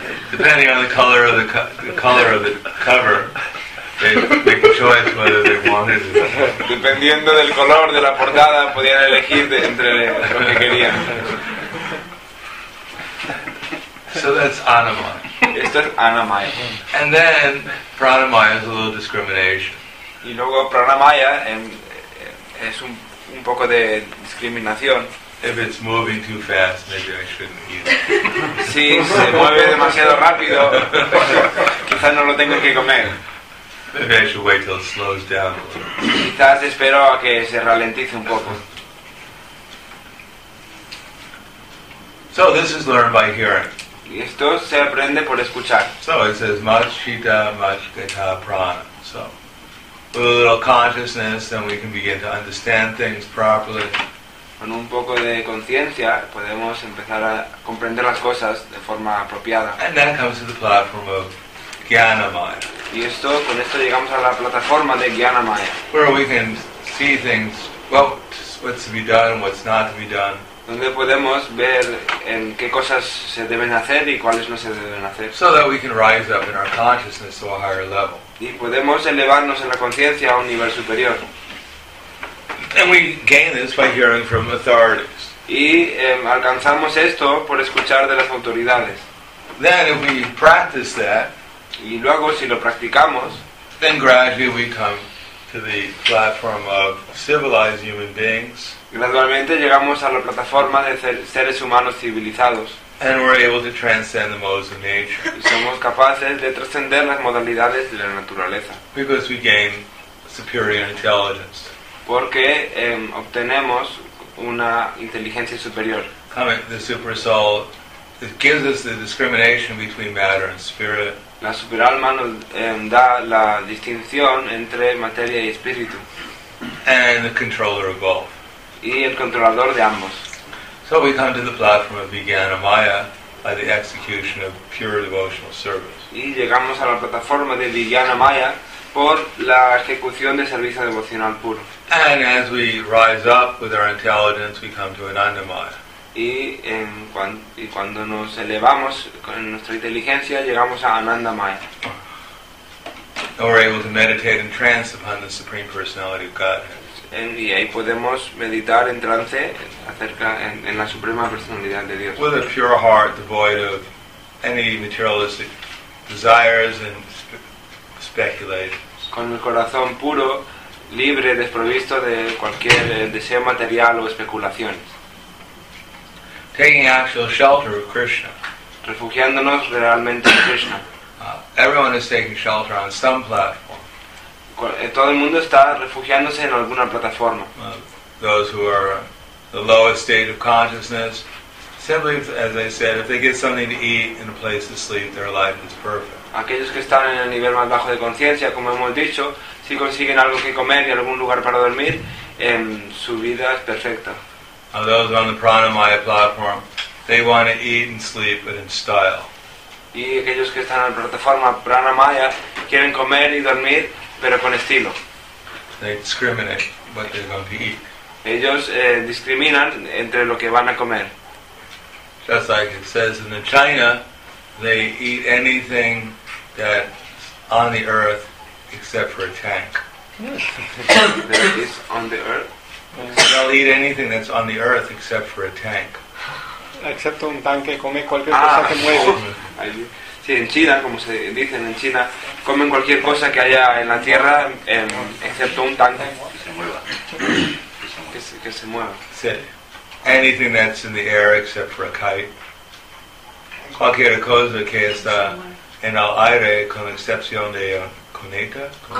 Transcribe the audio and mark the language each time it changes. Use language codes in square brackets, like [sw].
[en] Depending on the color of the cover, they make a choice whether they wanted it. [es] Dependiendo del color de la portada, podían elegir entre lo que querían. [en] So that's anamaya. [es] Esto es anamaya. [en] And then pranamaya is a little discrimination. [es] Y luego pranamaya es un poco de discriminación. [en] If it's moving too fast, maybe I shouldn't eat it. [es] Si se mueve demasiado rápido, quizás no lo tengo que comer. [en] Maybe I should wait till it slows down a little. [es] Quizás espero a que se ralentice un poco. [en] So this is learned by hearing. [es] Y esto se aprende por escuchar. [en] So it says machita machita prana. So with a little consciousness, then we can begin to understand things properly. [es] Con un poco de conciencia podemos empezar a comprender las cosas de forma apropiada. [en] And that comes to the platform of jnanamaya. [es] Y esto, con esto llegamos a la plataforma de jnanamaya. [en] Where we can see things, well, what's to be done, what's not to be done. [es] Donde podemos ver en qué cosas se deben hacer y cuáles no se deben hacer. [en] So that we can rise up in our consciousness to a higher level. [es] Y podemos elevarnos en la conciencia a un nivel superior. [en] And we gain this by hearing from authorities. [es] Y alcanzamos esto por escuchar de las autoridades. [en] Then if we practice that, [es] y luego si lo practicamos, [en] then gradually we come to the platform of civilized human beings. [es] Gradualmente llegamos a la plataforma de seres humanos civilizados. [en] And we're able to transcend the modes of nature. [es] Somos capaces de trascender las modalidades de la naturaleza. [en] Because we gain superior intelligence. [es] Porque obtenemos una inteligencia superior. [en] The super soul, it gives us the discrimination between matter and spirit. [es] La superalma nos da la distinción entre materia y espíritu. [en] And the controller of both. [es] Y el controlador de ambos. [en] So we come to the platform of Vijnanamaya by the execution of pure devotional service. [es] Y llegamos a la plataforma de Vijnanamaya por la ejecución de servicio devocional puro. [en] And as we rise up with our intelligence, we come to Anandamaya. [es] Y cuando nos elevamos con nuestra inteligencia, llegamos a Anandamaya. [en] And we're able to meditate in trance upon the Supreme Personality of God. [es] Y ahí podemos meditar en trance acerca en la suprema personalidad de Dios. [en] With a pure heart devoid of any materialistic desires and speculations. [es] Con el corazón puro, libre, desprovisto de cualquier deseo material o especulaciones. [en] Taking actual shelter of Krishna. [es] Refugiándonos realmente en Krishna. [en] Everyone is taking shelter on some platform. [es] Todo el mundo está refugiándose en alguna plataforma. [en] Those who are the lowest state of consciousness, simply as I said, if they get something to eat and a place to sleep, their life is perfect. [es] Aquellos que están en el nivel más bajo de conciencia, como hemos dicho, si consiguen algo que comer y algún lugar para dormir, su vida es perfecta. [en] And those on the Pranamaya platform, they want to eat and sleep, but in style. [es] Y aquellos que están en la plataforma Pranamaya quieren comer y dormir. Pero con estilo. [en] They discriminate what they're going to eat. [es] Ellos discriminan entre lo que van a comer. [en] Just like it says in the China, they eat anything that's on the earth except for a tank. That is on the earth? They'll eat anything that's on the earth except for a tank. [es] Excepto un tanque, come cualquier cosa que mueve. Sí, en China, como se dice en China, comen cualquier cosa que haya en la tierra, excepto un tanque. Que se mueva. Que se mueva. Sí. [en] Anything that's in the air except for a kite. [es] Cualquier cosa que está en el aire con excepción de cometa.